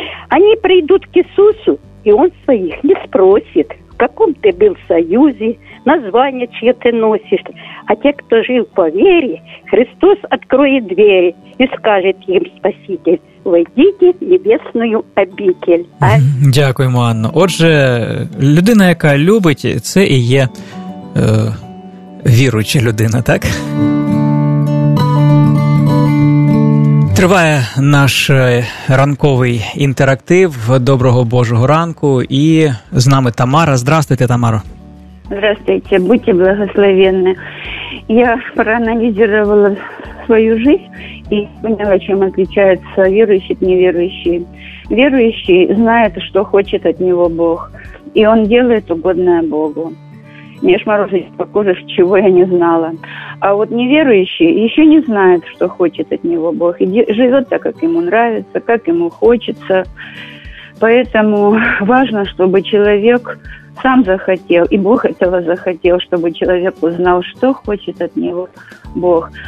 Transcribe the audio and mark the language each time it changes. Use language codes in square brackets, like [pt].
[ru] Они придут к Иисусу, и Он своих не спросит. В каком ты был в союзе, название чье ты носишь. А те, кто жил по вере, Христос откроет двери и скажет им: Спаситель, войдите в небесную обитель. А? [uk] Дякуємо, Анно. Отже, людина, яка любить, це і є віруюча людина, так? Триває наш ранковий інтерактив «Доброго Божого ранку», і з нами Тамара. [ru] Здравствуйте, Тамаро. Здравствуйте, будьте благословенны. [uk] Я проаналізувала свою жизнь і поняла, чим отличаються віруючі від невіруючих. Віруючий знає, що хоче від нього Бог, і він робить угодне Богу. [ru] Мне ж морозить по коже, чего я не знала. А вот неверующий еще не знает, что хочет от него Бог. И живет так, как ему нравится, как ему хочется. Поэтому важно, чтобы человек сам захотел, и Бог этого захотел, чтобы человек узнал, что хочет от него Бог.